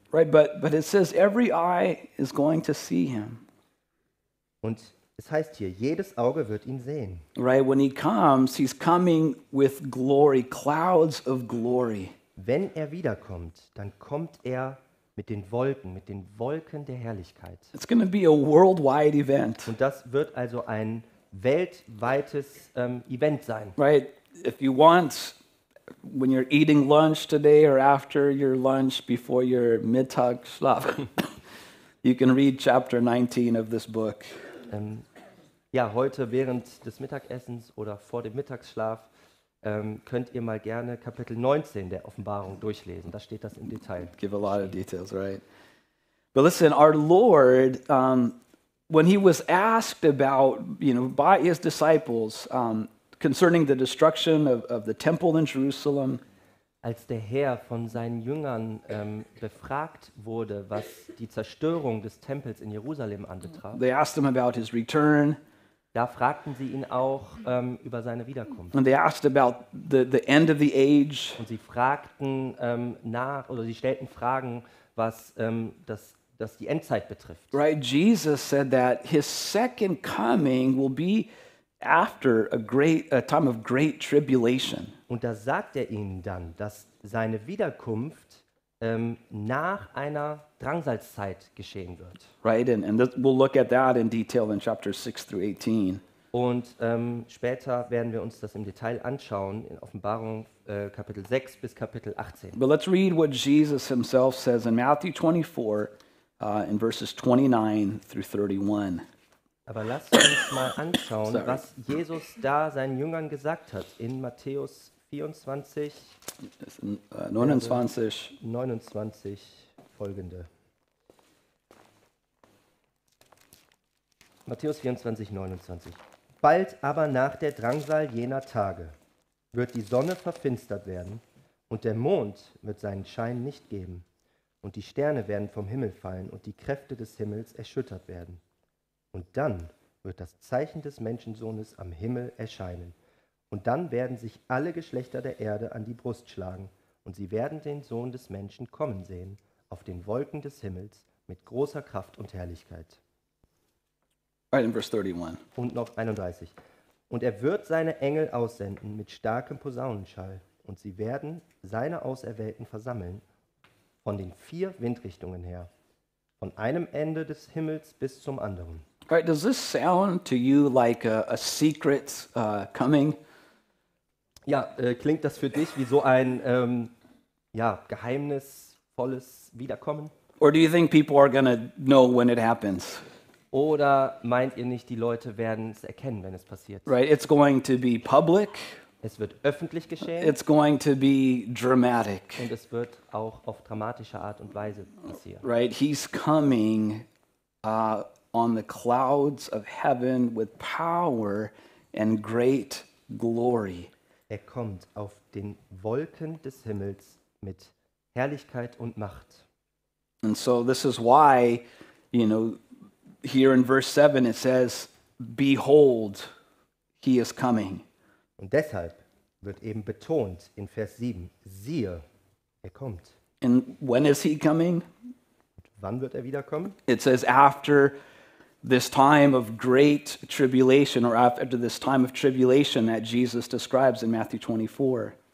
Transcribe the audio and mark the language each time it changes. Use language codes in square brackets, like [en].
[en] Right, but it says every eye is going to see him. [de] Und es heißt hier, jedes Auge wird ihn sehen. [en] Right, when he comes, he's coming with glory, clouds of glory. [de] Wenn er wiederkommt, dann kommt er mit den Wolken, mit den Wolken der Herrlichkeit. [en] It's going to be a worldwide event. [de] Und das wird also ein weltweites Event sein. [en] Right, if you want, when you're eating lunch today or after your lunch, before your [de] Mittag Schlaf, [en] you can read chapter 19 of this book. [de] Heute während des Mittagessens oder vor dem Mittagsschlaf könnt ihr mal gerne Kapitel 19 der Offenbarung durchlesen. Da steht das im Detail. [en] Give a lot of details, right? But listen, our Lord, when he was asked about, you know, by his disciples concerning the destruction of the temple in Jerusalem. [de] Als der Herr von seinen Jüngern befragt wurde, was die Zerstörung des Tempels in Jerusalem anbetraf, [en] they asked him about his return. [de] Da fragten sie ihn auch über seine Wiederkunft. [en] And they asked about the end of the age. [de] Und sie fragten nach oder sie stellten Fragen, was das die Endzeit betrifft. [en] Right, Jesus said that his second coming will be after a time of great tribulation. [de] Und da sagt er ihnen dann, dass seine Wiederkunft nach einer Drangsalzeit geschehen wird. [en] Right, and we'll look at that in detail in chapter 6 through 18. [de] Und später werden wir uns das im Detail anschauen in Offenbarung Kapitel 6 bis Kapitel 18. [en] But let's read what Jesus himself says in Matthew 24 in verses 29 through 31. [de] Aber lass uns mal anschauen, was Jesus da seinen Jüngern gesagt hat in Matthäus 24, 29 folgende. Matthäus 24, 29. Bald aber nach der Drangsal jener Tage wird die Sonne verfinstert werden und der Mond wird seinen Schein nicht geben und die Sterne werden vom Himmel fallen und die Kräfte des Himmels erschüttert werden. Und dann wird das Zeichen des Menschensohnes am Himmel erscheinen. Und dann werden sich alle Geschlechter der Erde an die Brust schlagen. Und sie werden den Sohn des Menschen kommen sehen, auf den Wolken des Himmels, mit großer Kraft und Herrlichkeit. [en] Right in verse 31. [de] Und noch 31. Und er wird seine Engel aussenden mit starkem Posaunenschall. Und sie werden seine Auserwählten versammeln von den vier Windrichtungen her. Von einem Ende des Himmels bis zum anderen. [en] Right, does this sound to you like a secret coming? [de] Ja, klingt das für dich wie so ein geheimnisvolles Wiederkommen? [en] Or do you think people are gonna know when it happens? [de] Oder meint ihr nicht, die Leute werden es erkennen, wenn es passiert? [en] Right, it's going to be public. [de] Es wird öffentlich geschehen. [en] It's going to be dramatic. [de] Und es wird auch auf dramatische Art und Weise passieren. [en] Right, he's coming on the clouds of heaven with power and great glory. [de] Er kommt auf den Wolken des Himmels mit Herrlichkeit und Macht. [en] And so this is why, you know, here in verse 7 it says, behold, he is coming. [de] Und deshalb wird eben betont in Vers 7, siehe, er kommt. [en] And when is he coming? [de] Und wann wird er wiederkommen? [en] It says after this time of great tribulation or after this time of tribulation that Jesus describes in Matthew 24.